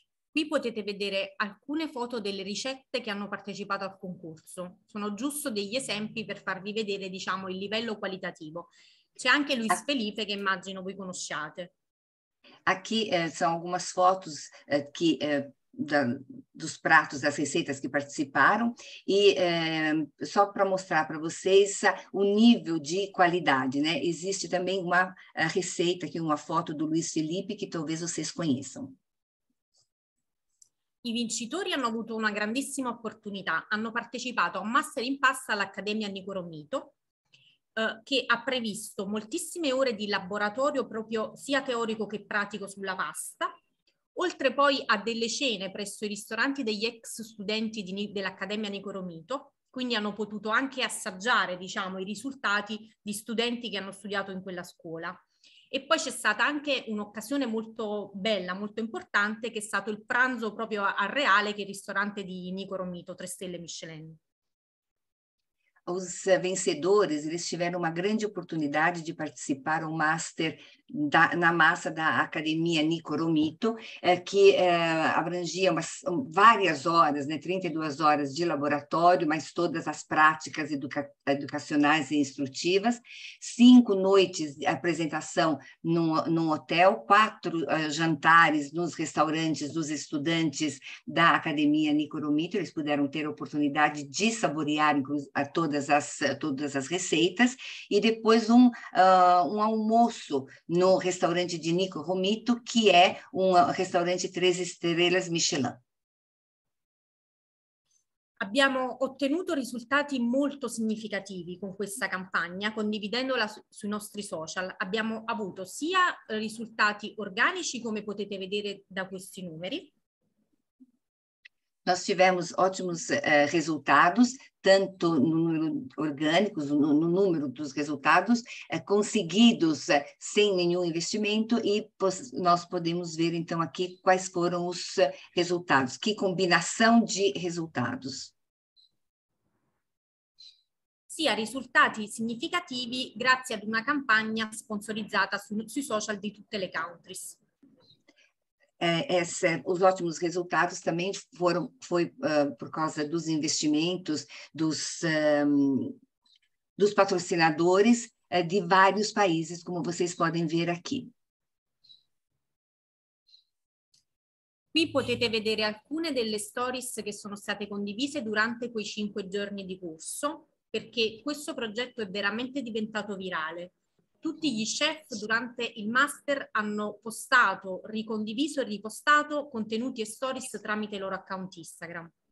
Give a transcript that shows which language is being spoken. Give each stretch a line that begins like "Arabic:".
Italian: Qui potete vedere alcune foto delle ricette che hanno partecipato al concorso. Sono giusto degli esempi per farvi vedere, diciamo, il livello qualitativo. C'è anche Luis Felipe che immagino voi conosciate.
Portuguese: Aqui
Italian: sono alcune
Portuguese: foto dos pratos, das receitas che participaram, e só para mostrar para vocês o nível de qualidade, né? Existe também uma receita aqui, uma foto do Luis Felipe que talvez vocês conheçam.
Italian: I vincitori hanno avuto una grandissima opportunità, hanno partecipato a un master in pasta all'Accademia Nicoromito. che ha previsto moltissime ore di laboratorio proprio sia teorico che pratico sulla pasta, oltre poi a delle cene presso i ristoranti degli ex studenti dell'Accademia Nico Romito, quindi hanno potuto anche assaggiare, diciamo, i risultati di studenti che hanno studiato in quella scuola. E poi c'è stata anche un'occasione molto bella, molto importante, che è stato il pranzo proprio al Reale, che è il ristorante di Nico Romito, 3 stelle Michelin.
Portuguese: Os vencedores, eles tiveram uma grande oportunidade de participar um master na massa da Academia Nico Romito, que abrangia várias horas, né, 32 horas de laboratório, mas todas as práticas educacionais e instrutivas, 5 noites de apresentação num hotel, 4 jantares nos restaurantes dos estudantes da Academia Nico Romito. Eles puderam ter a oportunidade de saborear todas as receitas, e depois um almoço no restaurante de Nico Romito, que é um restaurante 3 estrelas Michelin.
Italian: Abbiamo ottenuto risultati molto significativi con questa campagna, condividendola sui nostri social. Abbiamo avuto sia risultati organici, come potete vedere da questi numeri.
Portuguese: Nós tivemos ótimos resultados, tanto no número orgânico, no número dos resultados conseguidos sem nenhum investimento, e nós podemos ver então aqui quais foram os resultados, que combinação de resultados.
Italian: Sì, a risultati significativi grazie ad una campagna sponsorizzata sui social di tutte le countries.
Portuguese: Os ótimos resultados também foi por causa dos investimentos dos patrocinadores de vários países, como vocês podem ver aqui.
Italian: Qui potete vedere alcune delle stories che sono state condivise durante quei 5 giorni di corso, perché questo progetto è veramente diventato virale. Tutti gli chef durante il master hanno postato, ricondiviso e ripostato contenuti e stories tramite il loro account Instagram.